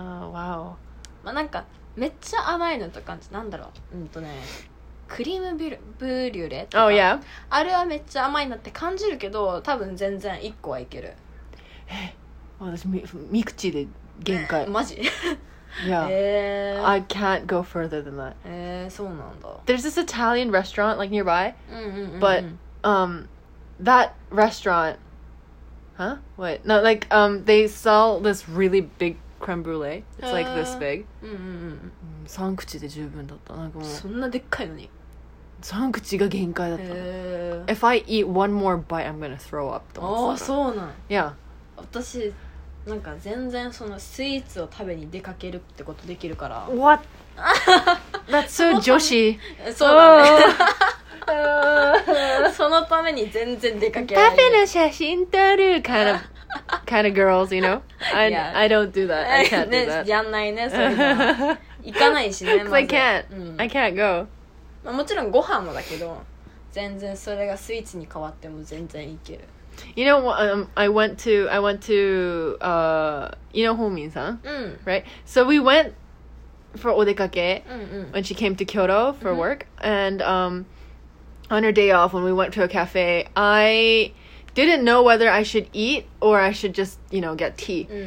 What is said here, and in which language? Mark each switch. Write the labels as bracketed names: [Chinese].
[Japanese] まあ、なんか、めっちゃ甘いのとか、なんだろう。ね。クリームブリュレとか。 [English] Oh, yeah? [Japanese] あれはめっちゃ甘いなって感じるけど、多分全然一個はいける。え、私、三口で限界。マジ？ [English] Yeah, I can't go further than that. There's this Italian restaurant like nearby, but that restaurant, huh? What? No, like they sell this really big creme brulee. It's like this big. [Japanese] 三口で十分だった。なんかもうそんなでっかいのに。三口が限界だった。 [English] If I eat one more bite, I'm gonna throw up. [Japanese] ああ、そうなん。 [English] Yeah. [Japanese] 私。なんか全然そのスイーツを食べに出かけるってことできるから [English] What? That's so [Japanese] 女子そうだね、そのために全然出かけられるパフェの写真撮る [English] kind of girls, you know? I don't do that. I can't do that. [Japanese] やんないね、そういうの行かないしね、まず [English] Because I can't go、 [Japanese] まあ、もちろんご飯もだけど全然それがスイーツに変わっても全然いける [English] You know, I went to, you know, Homin-san,、うん、 right? So we went for odekake when she came to Kyoto for work. And on her day off, when we went to a cafe, I didn't know whether I should eat or I should just, you know, get tea.